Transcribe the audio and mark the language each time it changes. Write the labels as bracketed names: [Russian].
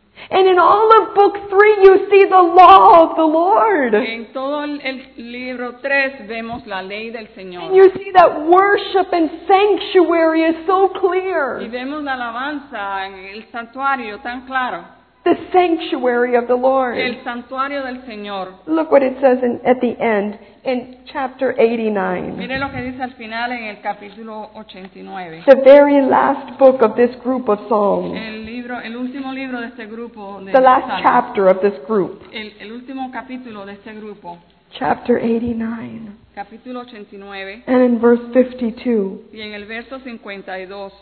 [English] And in all of book 3 you see the law of the Lord. [Spanish] En todo el libro 3 vemos la ley del Señor. [English] And you see that worship and sanctuary is so clear. [Spanish] Y vemos la alabanza en el santuario tan claro. [English] The sanctuary of the Lord. [Spanish] El santuario del Señor. [English] Look what it says at the end, in chapter 89. [Spanish] Mire lo que dice al final en el capítulo 89. [English] The very last book of this group of Psalms. [Spanish] El último libro de este grupo de [English] the last Psalms. Chapter of this group. [Spanish] El último capítulo de este grupo. [English] Chapter 89. [Spanish] Capítulo 89. [English] And in verse 52. [Spanish] Y en el verso 52.